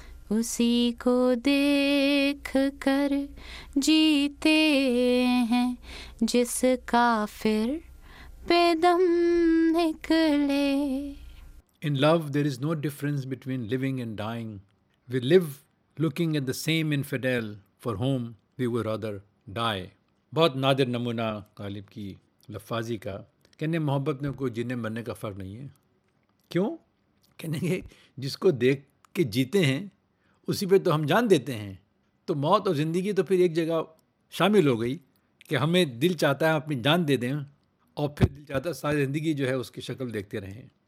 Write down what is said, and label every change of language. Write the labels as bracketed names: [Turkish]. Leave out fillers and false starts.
[Urdu] اسی کو دیکھ کر جیتے ہیں جس کافر پہ دم نکلے. [English] In love there is no difference between living and dying. We live looking at the same infidel for whom we would rather die. [Urdu] بہت نادر نمونہ غالب کی لفاظی کا. کہنے محبت میں کوئی جینے مرنے کا فرق نہیں ہے. کیوں؟ کہنے کہ جس کو دیکھ کے جیتے ہیں اسی پہ تو ہم جان دیتے ہیں, تو موت اور زندگی تو پھر ایک جگہ شامل ہو گئی کہ ہمیں دل چاہتا ہے اپنی جان دے دیں اور پھر دل چاہتا ہے ساری زندگی جو ہے اس کی شکل دیکھتے رہیں.